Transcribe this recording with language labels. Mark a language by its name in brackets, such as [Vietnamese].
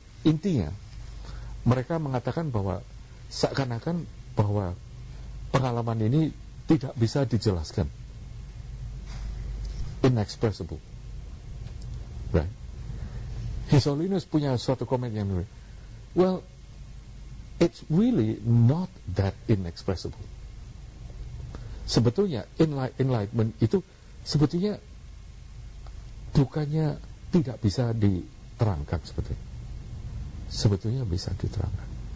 [Indonesian] Intinya mereka mengatakan bahwa seakan-akan bahwa pengalaman ini tidak bisa dijelaskan, inexpressible. His Holiness punya suatu komen yang, [English] well, it's really not that inexpressible. [Indonesian] Sebetulnya enlightenment itu sebetulnya bukannya tidak bisa diterangkan sebetulnya. Sebetulnya bisa diterangkan.